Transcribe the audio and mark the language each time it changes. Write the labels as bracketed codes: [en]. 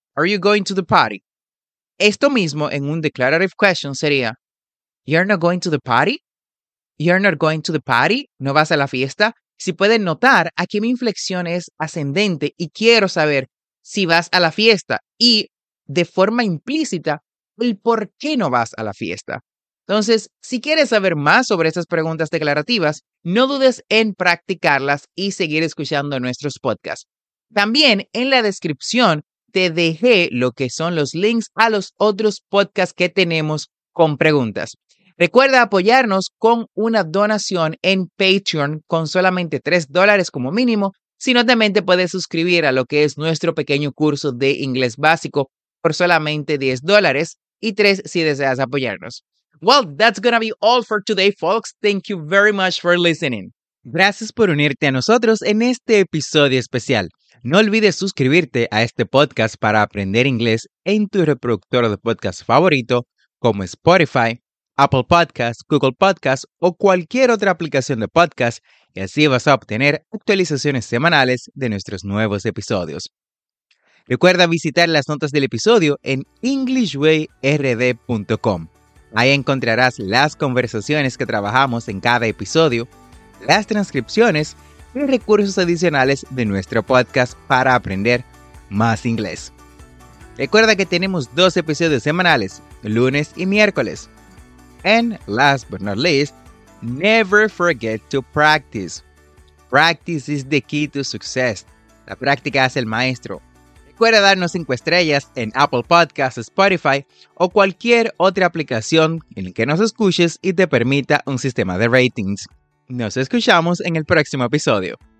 [en] Are you going to the party? [es] Esto mismo en un [en] declarative question [es] sería, [en] you're not going to the party? You're not going to the party? [es] ¿No vas a la fiesta? Si pueden notar, aquí mi inflexión es ascendente y quiero saber si vas a la fiesta y, de forma implícita, el por qué no vas a la fiesta. Entonces, si quieres saber más sobre esas preguntas declarativas, no dudes en practicarlas y seguir escuchando nuestros podcasts. También en la descripción te dejé lo que son los links a los otros podcasts que tenemos con preguntas. Recuerda apoyarnos con una donación en Patreon con solamente $3 como mínimo, sino también te puedes suscribir a lo que es nuestro pequeño curso de inglés básico por solamente $10 y 3 si deseas apoyarnos. [en] Well, that's gonna be all for today, folks. Thank you very much for listening. [es] Gracias por unirte a nosotros en este episodio especial. No olvides suscribirte a este podcast para aprender inglés en tu reproductor de podcast favorito, como Spotify, Apple Podcasts, Google Podcasts o cualquier otra aplicación de podcast, y así vas a obtener actualizaciones semanales de nuestros nuevos episodios. Recuerda visitar las notas del episodio en EnglishWayRD.com. Ahí encontrarás las conversaciones que trabajamos en cada episodio, las transcripciones y recursos adicionales de nuestro podcast para aprender más inglés. Recuerda que tenemos 2 episodios semanales, lunes y miércoles. [en] And last but not least, never forget to practice. Practice is the key to success. [es] La práctica hace el maestro. Recuerda darnos 5 estrellas en Apple Podcasts, Spotify o cualquier otra aplicación en la que nos escuches y te permita un sistema de ratings. Nos escuchamos en el próximo episodio.